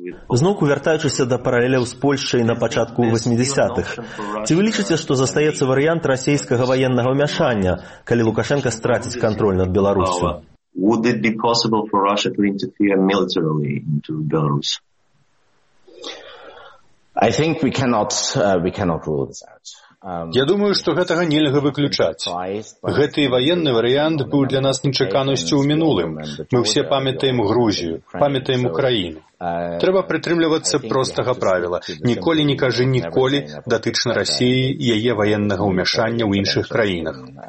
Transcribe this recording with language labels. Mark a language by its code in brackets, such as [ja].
[be] Зноўку вяртаючыся да паралеляў з Польшчай на пачатку 80-х. Ці вы лічыце, што застаецца варыянт расійскага ваеннага ўмяшання, калі Лукашэнка страціць кантроль над Беларусю? [en] Would it be possible for Russia to interfere militarily into Belarus? I think we cannot rule this out. [be] Я думаю, што гэтага нельга выключаць. Гэты ваенны варыянт быў для нас нечаканасцю ў мінулым. Мы ўсе памятаем Грузію, памятаем Украіну. Трэба прытрымлівацца простага правіла. Ніколі не кажы ніколі датычна Расіі і яе ваеннага ўмяшання ў іншых краінах.